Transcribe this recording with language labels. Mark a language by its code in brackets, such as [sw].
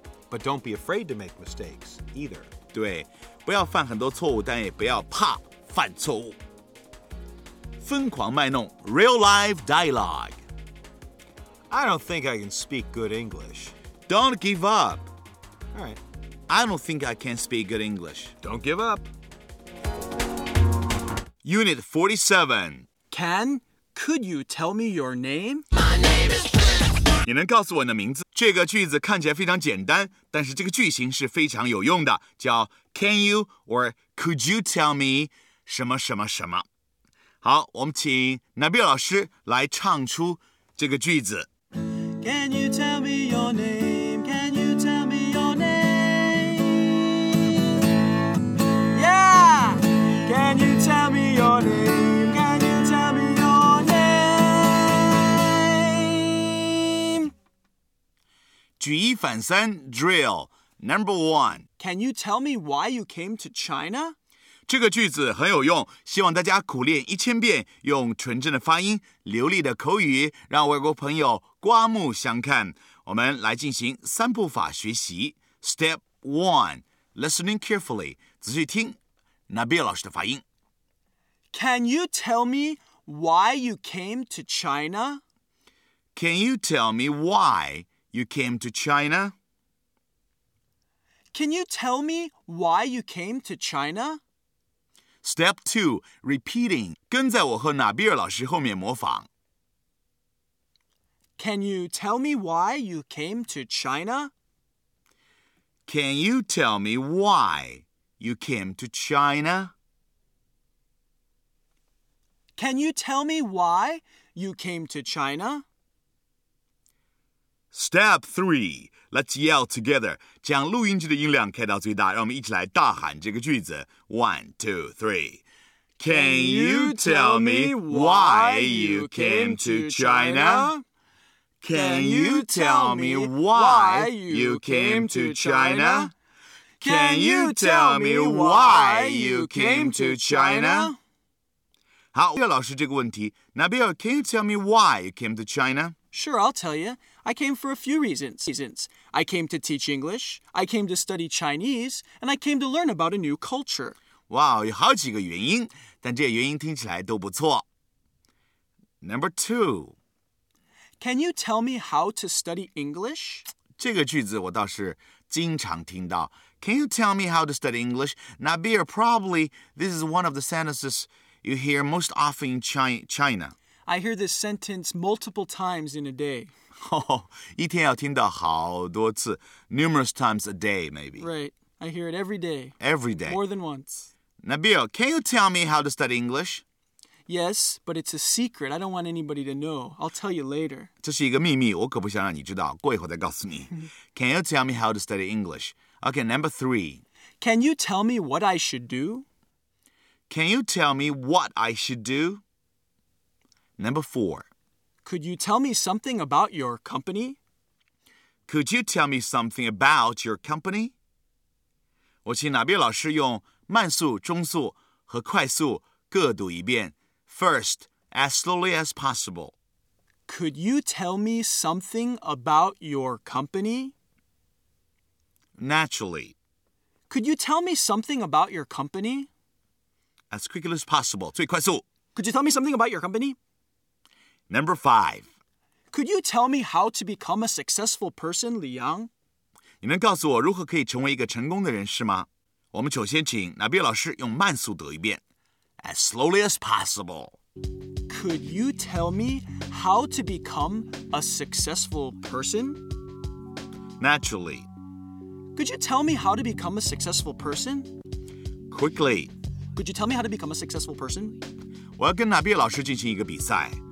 [en] But don't be afraid to make mistakes either. [zh] 对。不要犯很多错误但也不要怕犯错误。疯狂卖弄 [en] real life dialogue. I don't think I can speak good English. Don't give up. All right. I don't think I can speak good English. Don't give up. Unit 47. Ken, could you tell me your name? My name is Ken. [zh] 你能告诉我你的名字？这个句子看起来非常简单，但是这个句型是非常有用的，叫 [en] Can you or could you tell me [zh] 什么什么什么。好，我们请 Nabil 老师来唱出这个句子。 [en] Can you tell me your name? Can you tell me your name? Yeah! Can you tell me your name? Can you tell me your name? 举一反三 drill number one. Can you tell me why you came to China? [zh] 这个句子很有用，希望大家苦练一千遍，用纯正的发音、流利的口语，让外国朋友刮目相看。我们来进行三步法学习。 [en] Step one, listening carefully, [zh] 仔细听 Nabil 老师的发音。 [en] Can you tell me why you came to China? Can you tell me why you came to China? Can you tell me why you came to China? Step 2, repeating. [zh] 跟在我和 Nabil 老师后面模仿。 [en] Can you tell me why you came to China? Can you tell me why you came to China? Can you tell me why you came to China? Step 3. Let's yell together. [zh] 将录音机的音量开到最大，让我们一起来大喊这个句子。 [en] One, two, three. Can you tell me why you came to China? Can you tell me why you came to China? Can you tell me why you came to China? [zh] 好，岳老师这个问题。 [en] Nabil, can you tell me why you came to China? Sure, I'll tell you. I came for a few reasons. I came to teach English, I came to study Chinese, and I came to learn about a new culture. [zh] Wow, 有好几个原因，但这些原因听起来都不错。 [en] Number 2. Can you tell me how to study English? [zh] 这个句子我倒是经常听到。 [en] Can you tell me how to study English? Nabil, probably this is one of the sentences you hear most often in China. I hear this sentence multiple times in a day. Oh, [zh] 一天要听到好多次, [en] numerous times a day, maybe. Right, I hear it every day. Every day. More than once. Nabil, can you tell me how to study English? Yes, but it's a secret. I don't want anybody to know. I'll tell you later. [zh] 这是一个秘密,我可不想让你知道,过一会再告诉你。 [en] Can you tell me how to study English? Okay, number 3. Can you tell me what I should do? Can you tell me what I should do? Number 4. Could you tell me something about your company? Could you tell me something about your company? [zh] 我请娜比老师用慢速、中速和快速各读一遍。 [en] First, as slowly as possible. Could you tell me something about your company? Naturally. Could you tell me something about your company? As quickly as possible. [zh] 最快速。 [en] Could you tell me something about your company? Number 5. Could you tell me how to become a successful person, Li Yang? [zh] 你能告诉我如何可以成为一个成功的人士吗？我们首先请娜比老师用慢速读一遍。 [en] As slowly as possible. Could you tell me how to become a successful person? Naturally. Could you tell me how to become a successful person? Quickly. Could you tell me how to become a successful person? [zh] 我要跟娜比老师进行一个比赛。